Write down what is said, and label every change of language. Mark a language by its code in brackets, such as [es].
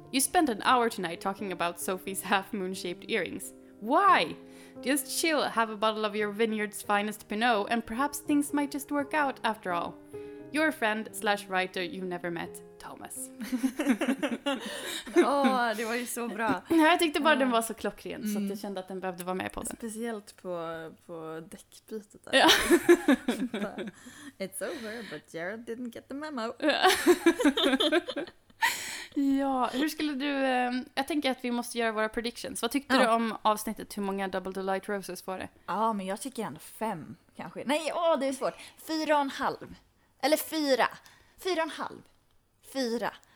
[en] You spent an hour tonight talking about Sophie's half-moon-shaped earrings. Why? Just chill, have a bottle of your vineyard's finest Pinot, and perhaps things might just work out after all. Your friend slash writer you've never met, Thomas. [sv] Åh, oh, det var ju så bra. Jag tyckte bara den var så klockren, så att jag kände att den behövde vara med på den. Speciellt på däckbytet där. Ja. [en] It's over, but Jared didn't get the memo. [sv] Ja, hur skulle du... jag tänker att vi måste göra våra predictions. Vad tyckte du om avsnittet? Hur många Double Delight Roses var det? Ja, men jag tycker ändå 5, kanske. Nej, åh, det är svårt. 4,5. Eller 4. 4,5. 4.